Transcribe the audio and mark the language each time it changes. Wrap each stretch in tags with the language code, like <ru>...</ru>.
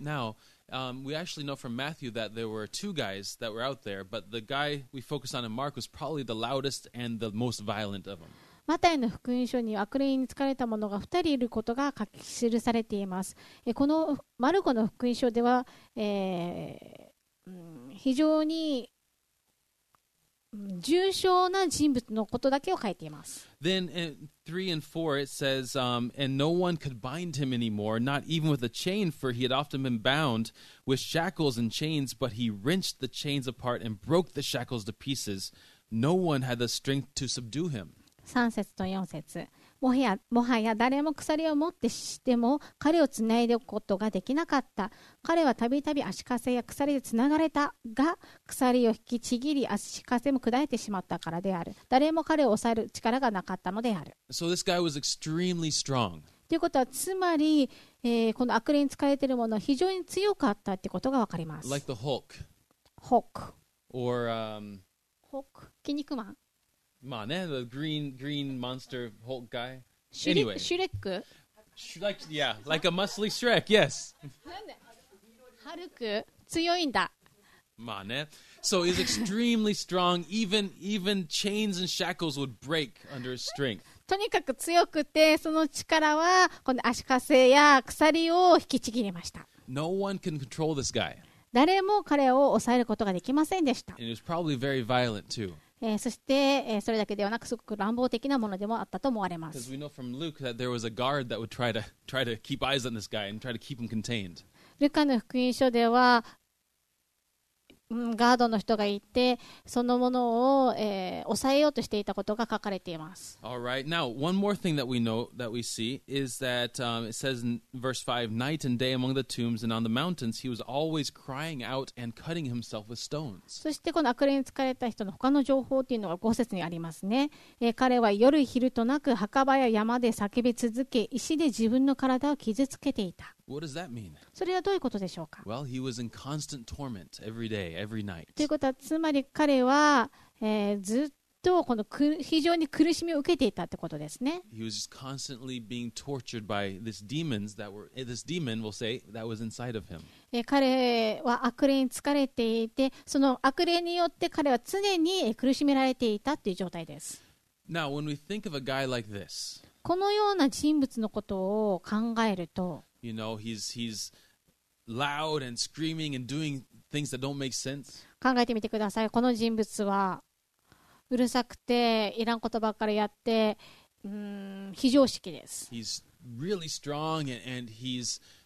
<en>Now, we actually know from Matthew that there were two guys that were out there, but the guy we focused on in Mark was probably the loudest and the most violent of them.</en> <ja>マタイの福音書に悪霊に憑かれた者が2人いることが書き記されています。このマルコの福音書では、非常に重症な人物のことだけを書いています。</ja> <en>Then in 3 and 4 it says、And no one could bind him anymore, not even with a chain, for he had often been bound with shackles and chains, but he wrenched the chains apart and broke the shackles to pieces. No one had the strength to subdue him.</en> <ja>3節と4節、もはや誰も鎖を持ってしても彼をつないでおくことができなかった。彼はたびたび足かせや鎖でつながれたが、鎖を引きちぎり足かせも砕いてしまったからである。誰も彼を抑える力がなかったのである。</ja> <en>So this guy was extremely strong.</en> <ja>ということはつまり、この悪霊に憑かれているものは非常に強かったってことがわかります。</ja> <en>Like the Hulk. Hulk. Or,</en> <ja>Hulk. 筋肉マン。まあね、</ja> <en>the green monster Hulk guy. Anyway, Shrek. Like, yeah, like a muscly Shrek. Yes.</en> <ja>Hulk, 強いんだ。まあね。</ja> <en>So he's extremely strong. Even chains and shackles would break under his strength.</en> <ja>とにかく強くて、その力はこの足かせや鎖を引きちぎりました。</ja> <en>No one can control this guy.</en> <ja>誰も彼を抑えることができませんでした。</ja> <en>And he was probably very violent too.</en> <ja>そして、それだけではなくすごく乱暴的なものでもあったと思われます。</ja> <en>Because we know from Luke that there was a guard that would try to keep eyes on this guy and try to keep him contained.</en> <ja>ルカの福音書では、ガードの人がいて、そのものを、抑えようとしていたことが書かれています。</ja> <en>All right. Now, one more thing that we know that we see is that、it says in verse 5, night and day among the tombs and on the mountains, he was always crying out and cutting himself with stones.</en> <ja>そしてこの悪霊に憑かれた人の他の情報というのが5節にありますね。彼は夜昼となく墓場や山で叫び続け、石で自分の体を傷つけていた。</ja> <en>What does that mean?</en> <ja>それはどういうことでしょうか?</ja> <en>Well, he was in constant torment every day, every night.</en> <ja>ということはつまり彼は、ずっとこの非常に苦しみを受けていたってことですね。</ja> <en>He was constantly being tortured by this demon, we'll say, that was inside of him.</en> <ja>彼は悪霊に憑かれていて、その悪霊によって彼は常に苦しめられていたっていう状態です。</ja> <en>Now, when we think of a guy like this,</en> <ja>このような人物のことを考えると、</ja> <en>You know, he's loud and screaming and doing things that don't make sense.</en> <ja>考えてみてください。この人物はうるさくていらんことばっかりやって、非常識です。</ja> <en>He's really strong and he's,</en>